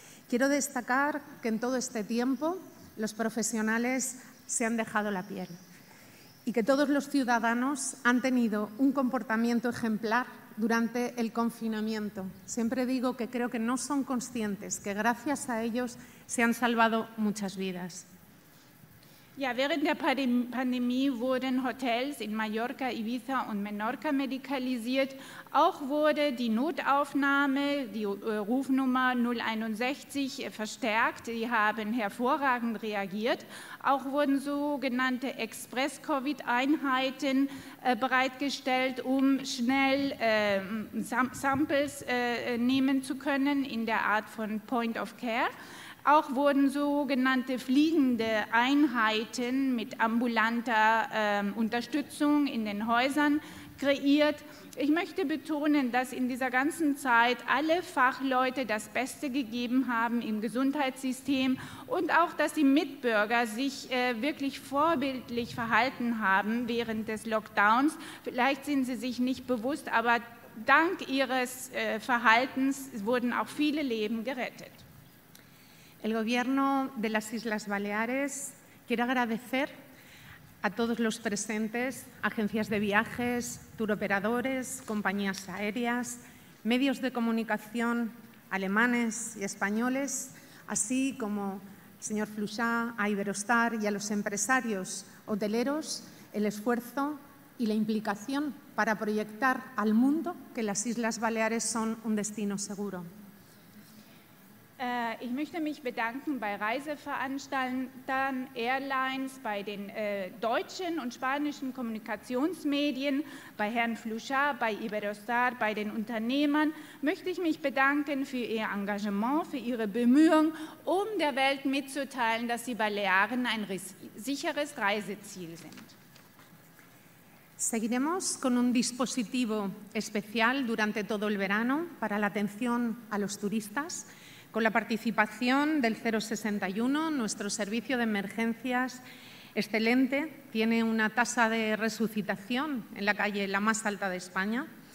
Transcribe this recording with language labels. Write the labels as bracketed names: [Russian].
[Spanish] Quiero destacar que en todo este tiempo los profesionales se han dejado la piel. Y que todos los ciudadanos han tenido un comportamiento ejemplar durante el confinamiento. Siempre digo que creo que no son conscientes, que gracias a ellos se han salvado muchas vidas. [German] Ja, während der Pandemie wurden Hotels in Mallorca, Ibiza und Menorca medikalisiert. Auch wurde die Notaufnahme, die Rufnummer 061, verstärkt. Die haben hervorragend reagiert. Auch wurden sogenannte Express-Covid-Einheiten bereitgestellt, um schnell Samples nehmen zu können in der Art von Point of Care. Auch wurden sogenannte fliegende Einheiten mit ambulanter Unterstützung in den Häusern kreiert. Ich möchte betonen, dass in dieser ganzen Zeit alle Fachleute das Beste gegeben haben im Gesundheitssystem und auch, dass die Mitbürger sich wirklich vorbildlich verhalten haben während des Lockdowns. Vielleicht sind sie sich nicht bewusst, aber dank ihres Verhaltens wurden auch viele Leben gerettet. [Spanish] El Gobierno de las Islas Baleares quiere agradecer a todos los presentes, agencias de viajes, turoperadores, compañías aéreas, medios de comunicación alemanes y españoles, así como al señor Flusha, a Iberostar y a los empresarios hoteleros, el esfuerzo y la implicación para proyectar al mundo que las Islas Baleares son un destino seguro. [German] Ich möchte mich bedanken bei Reiseveranstaltern, Airlines, bei den deutschen und spanischen Kommunikationsmedien, bei Herrn Fluchat, bei Iberostar, bei den Unternehmern. Möchte ich mich bedanken für Ihr Engagement, für Ihre Bemühungen, um der Welt mitzuteilen, dass die Balearen ein sicheres Reiseziel sind. [Spanish] Seguiremos con un dispositivo especial durante todo el verano para la atención a los turistas, con la participación del 061, nuestro servicio de emergencias excelente, tiene una tasa de resucitación en la calle la más alta de España.